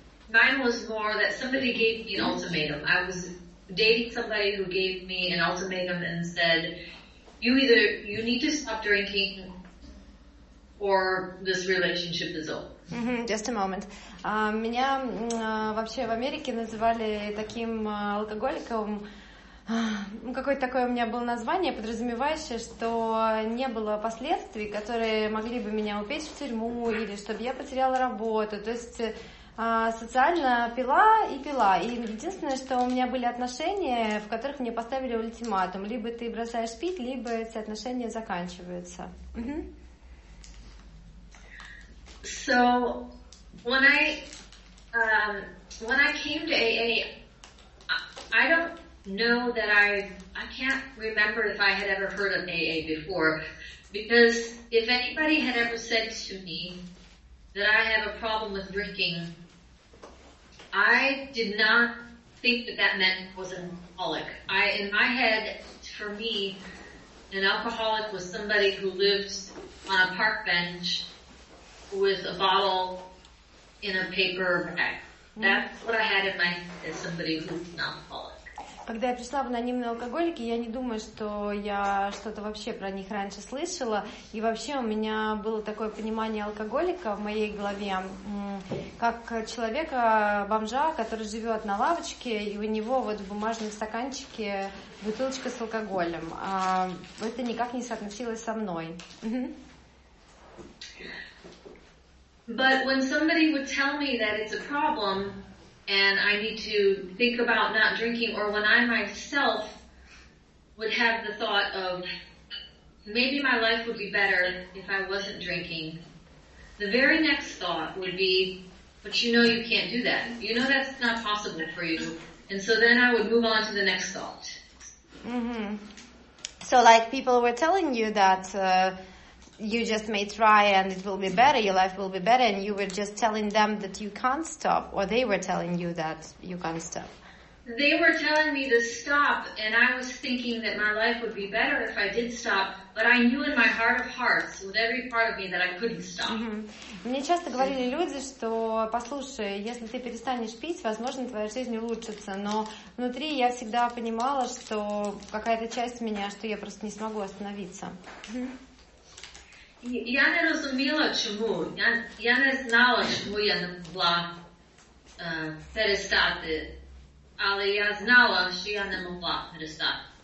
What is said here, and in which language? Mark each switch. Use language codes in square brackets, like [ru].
[en] Mine was more that somebody gave me an ultimatum. I was dating somebody who gave me an ultimatum and said, you need to stop drinking or this relationship is over. Mm-hmm. Just a moment. [ru] Меня вообще в Америке называли таким алкоголиком. Какое-то такое у меня было название, подразумевающее, что не было последствий, которые могли бы меня упечь в тюрьму или чтобы я потеряла работу. То есть социально пила и пила. И единственное, что у меня были отношения, в которых мне поставили ультиматум. Либо ты бросаешь пить, либо эти отношения заканчиваются. [en] So, when I came to AA, I don't know that I can't remember if I had ever heard of AA before, because if anybody had ever said to me that I have a problem with drinking, I did not think that meant I was an alcoholic. In my head, for me, an alcoholic was somebody who lived on a park bench with a bottle in a paper bag. That's what I had in my head as somebody who's an alcoholic. [ru] Когда я пришла в анонимные алкоголики, я не думаю, что я что-то вообще про них раньше слышала. И вообще у меня было такое понимание алкоголика в моей голове, как человека, бомжа, который живет на лавочке, и у него вот в бумажном стаканчике бутылочка с алкоголем. А это никак не соотносилось со мной. [en] But when somebody would tell me that it's a problem, and I need to think about not drinking, or when I myself would have the thought of maybe my life would be better if I wasn't drinking, the very next thought would be, but you know you can't do that. You know that's not possible for you. And so then I would move on to the next thought. Mm-hmm. So like people were telling you that you just may try and it will be better, your life will be better, and you were just telling them that you can't stop, or they were telling you that you can't stop. They were telling me to stop, and I was thinking that my life would be better if I did stop, but I knew in my heart of hearts, with every part of me, that I couldn't stop. Mm-hmm. [ru] Мне часто говорили люди, что, послушай, если ты перестанешь пить, возможно, твоя жизнь улучшится, но внутри я всегда понимала, что какая-то часть меня, что я просто не смогу остановиться. Mm-hmm. [uk] Я не разумела, чему. Я не знала, чему я не могла перестати. Але я знала, що я не могла перестати.